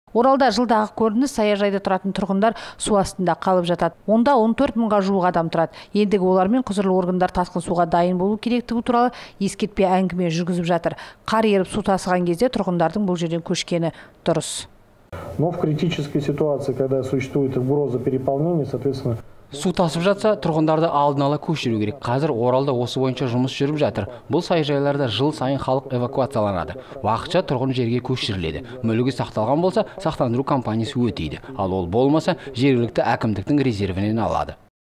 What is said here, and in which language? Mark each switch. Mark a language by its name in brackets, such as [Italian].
[Kazakh] Оралда жылдағы көрініс саяжайда тұратын тұрғындар су астында қалып жатады. Онда 14 мыңға жуық адам тұрады. Ендігі олармен құзырлы органдар тасқын суға дайын болу керектігі туралы ескертпе әңгіме жүргізіп жатыр. Қар еріп су тасыған кезде тұрғындардың бұл жерден көшкені дұрыс. [Russian] Но в критической ситуации, когда существует угроза переполнения, соответственно... [Kazakh] Су тасып жатса, тұрғындарды алдын ала көшіру керек. Қазір Оралда осы бойынша жұмыс жүріп жатыр. Бұл саяжайларда жыл сайын халық эвакуацияланады. Уақытша тұрғын жерге көшіріледі. Мүлігі сақталған болса, сақтандыру компаниясы өтейді. Ал ол болмаса, жергілікті әкімдіктің резервінен алады.